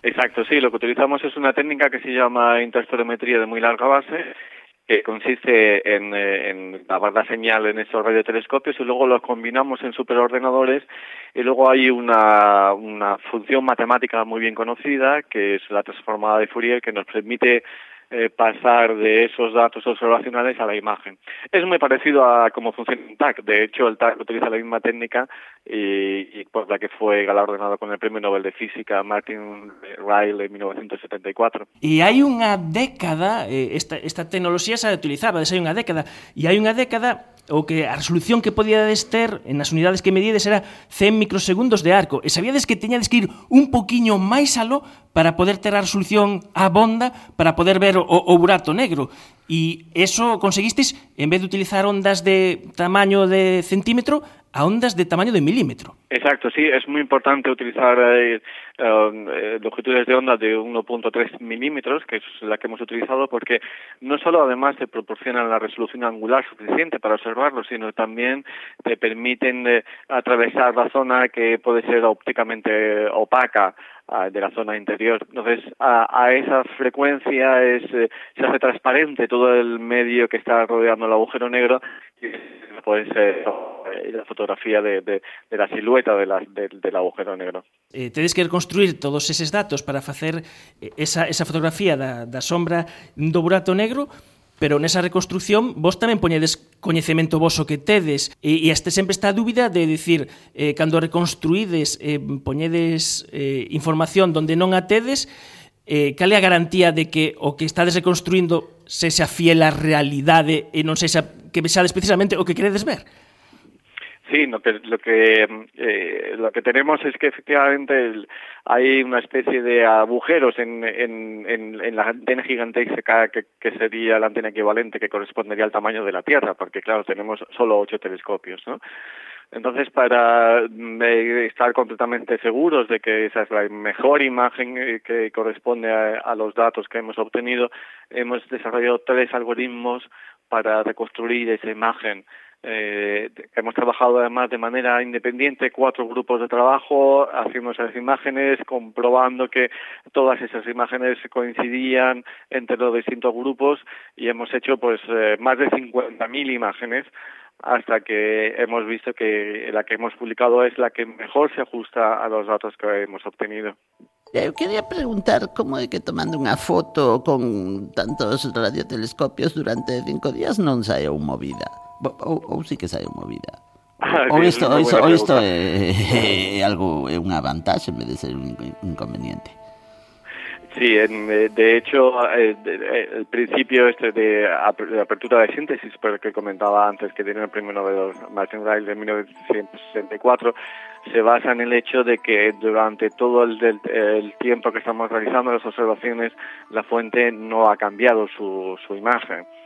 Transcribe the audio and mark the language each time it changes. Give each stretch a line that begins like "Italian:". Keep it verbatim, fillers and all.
Spanish: Exacto, sí, lo que utilizamos es una técnica que se llama interferometría de moi larga base, que consiste en, en grabar la señal en esos radiotelescopios y luego los combinamos en superordenadores, y luego hay una, una función matemática muy bien conocida que es la transformada de Fourier, que nos permite eh, pasar de esos datos observacionales a la imagen. Es muy parecido a cómo funciona el T A C. De hecho, el T A C utiliza la misma técnica y, y por la que fue galardonado con el premio Nobel de Física Martin Ryle en mil novecientos setenta y cuatro.
Galician: E hai unha década, esta, esta tecnoloxía se utilizaba desde hai unha década, e hai unha década o que a resolución que podíades ter nas unidades que medíades era cen microsegundos de arco, e sabíades que teñades que ir un poquinho máis aló para poder ter a resolución abonda para poder ver o, o burato negro. E eso conseguistes, en vez de utilizar ondas de tamaño de centímetro, a ondas de tamaño de milímetro.
Spanish: Exacto, sí, es muy importante utilizar eh, eh, longitudes de onda de uno punto tres milímetros, que es la que hemos utilizado, porque no solo además te proporcionan la resolución angular suficiente para observarlo, sino también te permiten eh, atravesar la zona que puede ser ópticamente opaca de la zona interior. Entonces, a, a esa frecuencia es eh, se hace transparente todo el medio que está rodeando el agujero negro y pues eh, la fotografía de, de, de la silueta de la, de, del agujero negro.
Galician: Eh, tedes que reconstruir todos eses datos para facer esa, esa fotografía da, da sombra do burato negro, pero nesa reconstrucción vos tamén poñedes coñecemento voso que tedes, e, e este sempre está a dúbida de dicir, eh, cando reconstruídes, eh, poñedes eh, información donde non a tedes, eh, cal é a garantía de que o que estades reconstruindo sexa fiel á realidade e non sexa que vexades precisamente o que queredes ver?
Spanish: Sí, lo que lo que, eh, lo que tenemos es que efectivamente el, hay una especie de agujeros en, en, en, en la antena gigantesca que, que sería la antena equivalente que correspondería al tamaño de la Tierra, porque claro, tenemos solo ocho telescopios, ¿no? Entonces, para eh, estar completamente seguros de que esa es la mejor imagen eh, que corresponde a, a los datos que hemos obtenido, hemos desarrollado tres algoritmos para reconstruir esa imagen. Eh, hemos trabajado además de manera independiente, cuatro grupos de trabajo haciendo esas imágenes, comprobando que todas esas imágenes coincidían entre los distintos grupos, y hemos hecho pues eh, más de cincuenta mil imágenes hasta que hemos visto que la que hemos publicado es la que mejor se ajusta a los datos que hemos obtenido.
Galician: Eu quería preguntar como é que tomando unha foto con tantos radiotelescopios durante cinco días non saeu movida. Ou, ou sí que saeu movida. Ou isto, ou isto, ou isto é, é algo, é unha vantaxe en vez de ser un inconveniente.
Spanish: Sí, de hecho, el principio este de apertura de síntesis, que comentaba antes, que tiene el premio Nobel Martin Ryle de mil novecientos sesenta y cuatro, se basa en el hecho de que durante todo el, el, el tiempo que estamos realizando las observaciones, la fuente no ha cambiado su, su imagen.